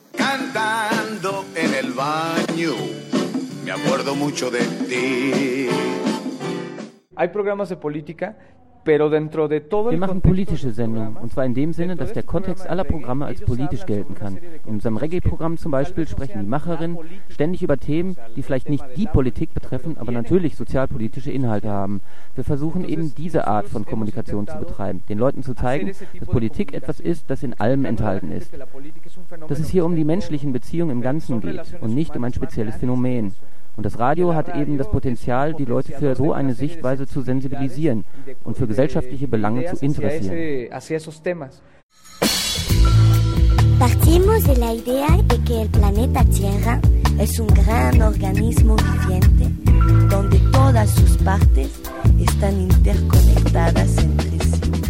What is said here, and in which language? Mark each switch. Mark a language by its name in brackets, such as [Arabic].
[Spanish] Cantando en el baño, me acuerdo mucho de ti. Hay programas de política, pero dentro de todo. [German] Wir machen politische Sendungen, und zwar in dem Sinne, dass der Kontext aller Programme als politisch gelten kann. In unserem Reggae-Programm zum Beispiel sprechen die Macherinnen ständig über Themen, die vielleicht nicht die Politik betreffen, aber natürlich sozialpolitische Inhalte haben. Wir versuchen eben diese Art von Kommunikation zu betreiben, den Leuten zu zeigen, dass Politik etwas ist, das in allem enthalten ist. Dass es hier um die menschlichen Beziehungen im Ganzen geht und nicht um ein spezielles Phänomen. Und das Radio hat eben das Potenzial, die Leute für so eine Sichtweise zu sensibilisieren und für gesellschaftliche Belange zu interessieren. [Spanish] Partimos de la idea de que el planeta Tierra es un gran organismo viviente, donde todas sus partes están interconectadas entre sí.